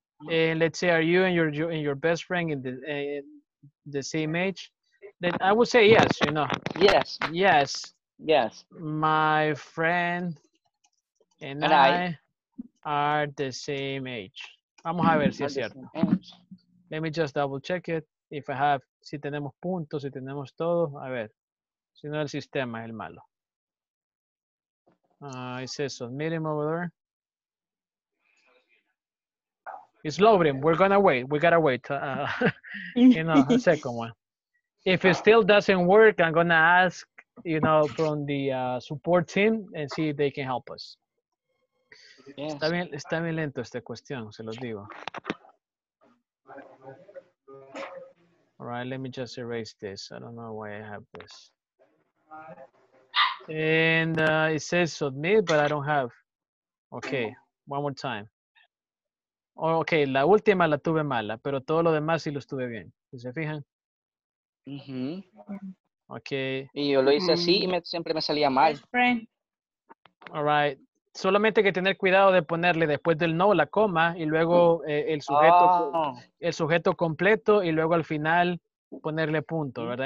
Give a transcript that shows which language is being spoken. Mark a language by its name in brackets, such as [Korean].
[English] And let's say, are you and your best friend in the same age? Then I would say yes, you know. Yes. My friend and I are the same age. [Spanish] Vamos a ver si es cierto. [English] Let me just double check it. If I have, [Spanish] si tenemos puntos, si tenemos todo. A ver, si no el sistema es el malo. [English] It says submit him over there. It's loading. We're gonna wait. We gotta wait. you know, a second one. If it still doesn't work, I'm gonna ask, you know, from the support team and see if they can help us. Yes. [Spanish] Está bien lento esta cuestión, se los digo. [English] All right, let me just erase this. I don't know why I have this. And it says submit, but I don't have. Okay, one more time. [Spanish] Oh, okay, la última la tuve mala, pero todo lo demás sí lo estuve bien. ¿Sí se fijan? Mm-hmm. [English] Okay. [Spanish] Y yo lo hice así y siempre me salía mal. [English] Best friend. All right. [Spanish] Solamente que tener cuidado de ponerle después del no la coma y luego el sujeto, el sujeto completo y luego al final ponerle punto, ¿verdad?